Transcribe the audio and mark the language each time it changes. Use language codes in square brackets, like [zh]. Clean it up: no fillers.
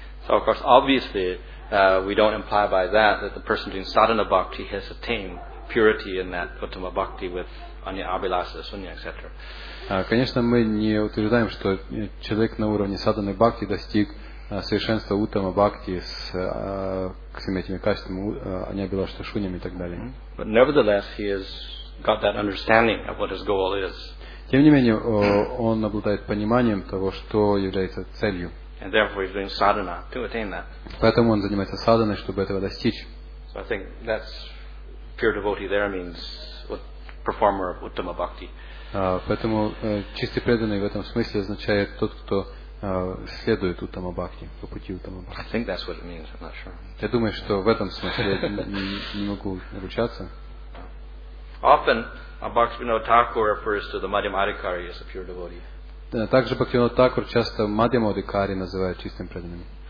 [en] So of course, obviously, we don't imply by that that the person doing Sadhana Bhakti has attained purity in that Uttama Bhakti with Anya Abhilasa, Sunya, etc. [ru] Конечно, мы не утверждаем, что человек на уровне Sadhana Bhakti достиг совершенства Uttama Bhakti с всеми этими качествами Anya Abhilasa, Shunya и так далее. [en] But nevertheless, he is got that understanding of what his goal is. [ru] Тем не менее, он обладает пониманием того, что является целью. [en] And therefore he's doing sadhana to attain that. [ru] Поэтому он занимается садханой, чтобы этого достичь. [en] So I think that's pure devotee there means performer of Uttama Bhakti. [ru] Поэтому чистый преданный в этом смысле означает тот, кто следует Uttama Bhakti, по пути Uttama Bhakti. [en] I think that's what it means, I'm not sure. [ru] Я думаю, что в этом смысле не могу ручаться. [en] Often, Bhaktivinoda Thakur refers to the Madhyama Adhikari as a pure devotee. [ru] Также Бхактивинода Тхакур часто Мадхьяма Адхикари называют чистым преданным.